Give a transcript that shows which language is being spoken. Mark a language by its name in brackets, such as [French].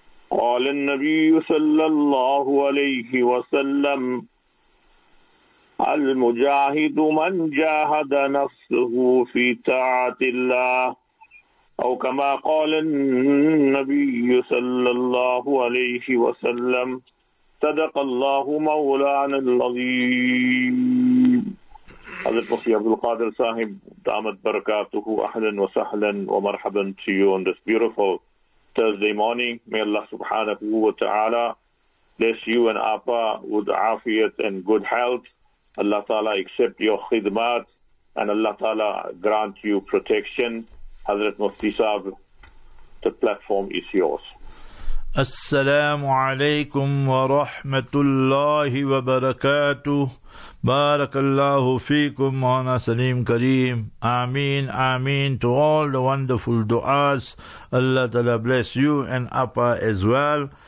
[Arabic] قال النبي صلى الله عليه وسلم المجاهد من جاهد نفسه في طاعة الله أو كما قال النبي صلى الله عليه وسلم صدق الله مولانا العظيم. حضرت مفتي عبد القادر صاحب دامت بركاته اهلا وسهلا ومرحبا [English] to you on this beautiful Thursday morning. May Allah subhanahu wa ta'ala bless you and apa with afiyat and good health. Allah ta'ala accept your khidmat and Allah ta'ala grant you protection. Hazrat Mufti Sahib, the platform is yours. [Arabic] السلام عليكم ورحمة الله وبركاته. بارك الله فيكم وانا سليم كريم. [English] آمين آمين to all the wonderful du'as. Allah Ta'ala bless you and Appa as well.